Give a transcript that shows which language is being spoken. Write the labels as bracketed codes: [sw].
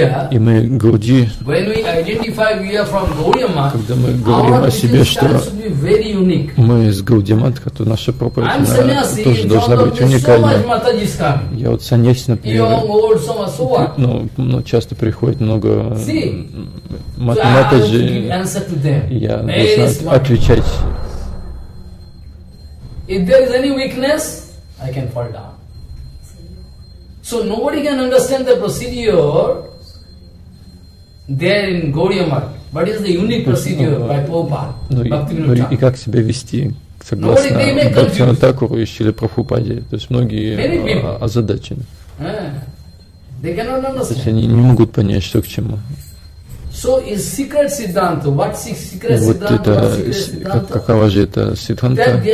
[ru] И мы Гауди, когда мы говорим о себе, что мы из Гауди Матха, то наша проповедь она тоже должна быть уникальной. Я вот саньяси, например, но часто приходит много Матхаджи, я должен отвечать. [en] If there is any weakness, I can fall down. So nobody can understand the procedure there in Gaudiya Math. But it's the unique procedure by Prabhupada, Bhakti Vinodata. [ru] Согласно Бхакти Натакуру и Шриле Прабхупаде. То есть многие озадачены. [en] They cannot understand. [ru] То есть они не могут понять, что к чему. [en] So is secret siddhanta. What secret siddhanta? [ru] Вот это, какова же это сиддханта,